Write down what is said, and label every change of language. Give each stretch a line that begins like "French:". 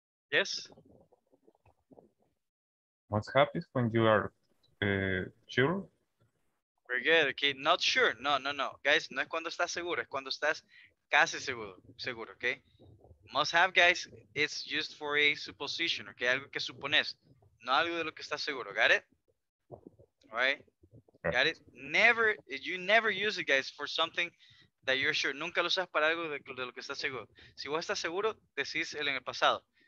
English: Yes? Must have is when you are sure. Very good, okay, not sure, no.
Spanish: Guys, no es cuando estás seguro, es cuando estás casi seguro, okay? Must have, guys, it's just for a supposition, okay? Algo que supones, no algo de lo que estás seguro, got it?
English: All right, got it? You never use it, guys, for something that you're sure.
Spanish: Nunca lo usas para algo de lo que estás seguro. Si vos estás seguro, decís el en el pasado.